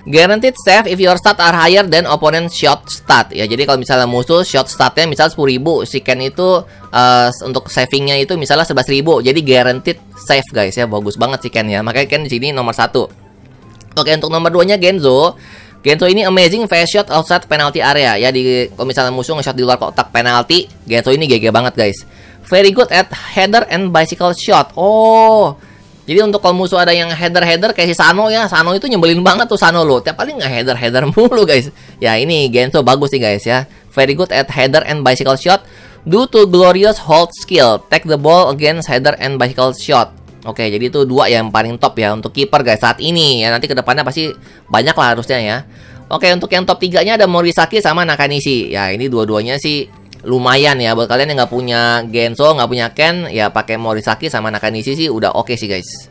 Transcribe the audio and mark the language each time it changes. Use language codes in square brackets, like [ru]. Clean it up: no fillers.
[en] Guaranteed save if your stat are higher than opponent shot stat. [id] Ya jadi kalau misalnya musuh shot statnya misalnya 10.000, si Ken itu untuk savingnya itu misalnya 11.000. Jadi [en] guaranteed save [id] guys ya, bagus banget sih Ken ya. Makanya Ken di sini nomor 1. Oke, okay, untuk nomor 2-nya Genzo. Genzo ini [en] amazing face shot outside penalty area [id] ya, di kalau misalnya musuh nge-shot di luar kotak penalti, Genzo ini GG banget guys. [en] very good at header and bicycle shot. [id] Oh, jadi untuk kalau musuh ada yang header-header kayak si Sano ya, Sano itu nyebelin banget tuh Sano lo. Tiap kali nggak header-header mulu guys. Ya ini Gento bagus sih guys ya. [en] Very good at header and bicycle shot due to glorious hold skill. Take the ball against header and bicycle shot. [id] Oke, jadi itu dua yang paling top ya untuk kiper guys saat ini. Ya nanti kedepannya pasti banyak lah harusnya ya. Oke, untuk yang top 3-nya ada Morisaki sama Nakanishi. Ya ini dua-duanya sih lumayan ya buat kalian yang nggak punya Genso, nggak punya Ken, ya pakai Morisaki sama Nakanishi sih udah oke sih guys.